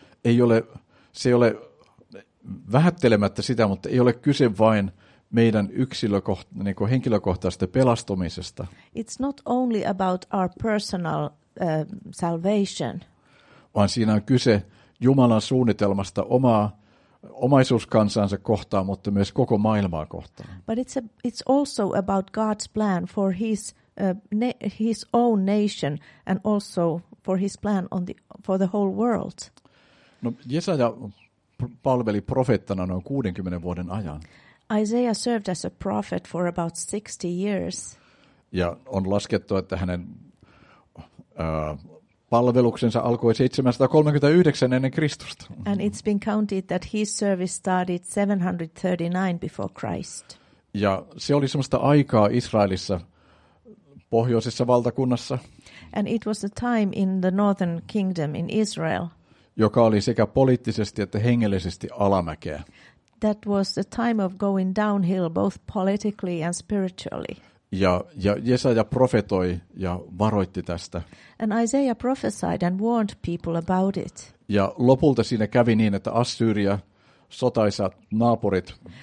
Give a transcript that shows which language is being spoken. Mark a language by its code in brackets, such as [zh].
[fi] Ei ole, se ei ole vähättelemättä sitä, mutta ei ole kyse vain meidän henkilökohtaisesta pelastumisesta. [en] It's not only about our personal salvation. [fi] Vaan siinä on kyse Jumalan suunnitelmasta omaisuuskansansa kohtaan, mutta myös koko maailmaa kohtaan. [en] But it's also about God's plan for his own nation and also for his plan for the whole world. [fi] No, Jesaja palveli profeettana noin 60 vuoden ajan. [en] Isaiah served as a prophet for about 60 years. [fi] Ja on laskettu, että hänen palveluksensa alkoi 739 ennen Kristusta. [en] And it's been counted that his service started 739 before Christ. [fi] Ja se oli semmoista aikaa Israelissa, pohjoisessa valtakunnassa. [en] And it was a time in the northern kingdom in Israel. [fi] Joka oli sekä poliittisesti että hengellisesti alamäkeä. [en] That was a time of going downhill both politically and spiritually. [fi] Ja Jesaja profetoi ja varoitti tästä. [en] And Isaiah prophesied and warned people about it. [fi] Ja lopulta siinä kävi niin, että Assyria, sotaisat naapurit.